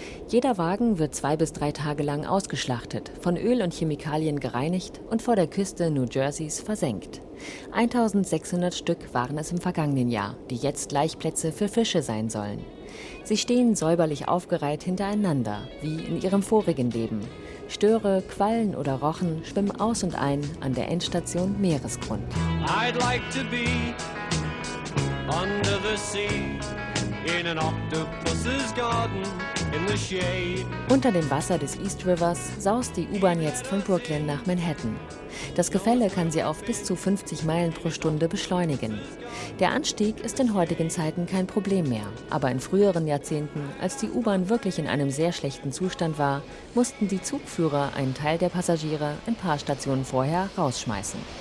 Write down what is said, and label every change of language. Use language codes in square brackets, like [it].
[de] Jeder Wagen wird 2 bis 3 Tage lang ausgeschlachtet, von Öl und Chemikalien gereinigt und vor der Küste New Jerseys versenkt. 1600 Stück waren es im vergangenen Jahr, die jetzt Laichplätze für Fische sein sollen. Sie stehen säuberlich aufgereiht hintereinander, wie in ihrem vorigen Leben. Störe, Quallen oder Rochen schwimmen aus und ein an der Endstation Meeresgrund. [en] I'd like to be under the sea in an octopus's garden. [de] Unter dem Wasser des East Rivers saust die U-Bahn jetzt von Brooklyn nach Manhattan. Das Gefälle kann sie auf bis zu 50 Meilen pro Stunde beschleunigen. Der Anstieg ist in heutigen Zeiten kein Problem mehr. Aber in früheren Jahrzehnten, als die U-Bahn wirklich in einem sehr schlechten Zustand war, mussten die Zugführer einen Teil der Passagiere ein paar Stationen vorher rausschmeißen.